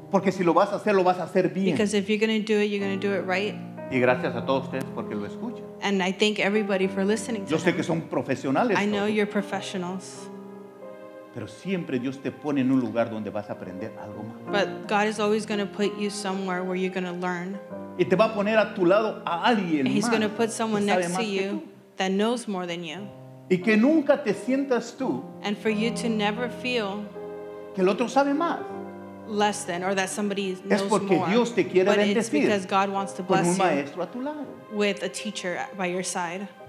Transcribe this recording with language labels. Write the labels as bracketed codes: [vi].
[es] Porque si lo vas a hacer, lo vas a hacer bien. [en] Because if you're going to do it, you're going to do it right. [es] Y gracias a todos ustedes porque lo escuchan. [en] And I thank everybody for listening to [es] Yo sé que son profesionales. [en] I know you're professionals. [es] Pero siempre Dios te pone en un lugar donde vas a aprender algo más. [en] But God is always going to put you somewhere where you're going to learn. [es] Y te va a poner a tu lado a alguien [en] and [es] más. [en] He's going to put someone next to you that knows more than you. [es] Y que nunca te sientas tú. [en] And for you to never feel [es] que el otro sabe más. [en] Less than, or that somebody knows more. [es] Es porque Dios te quiere [en] but [es] bendecir. [en] It's because God wants to bless [es] con un maestro a tu lado. [en] With a teacher by your side.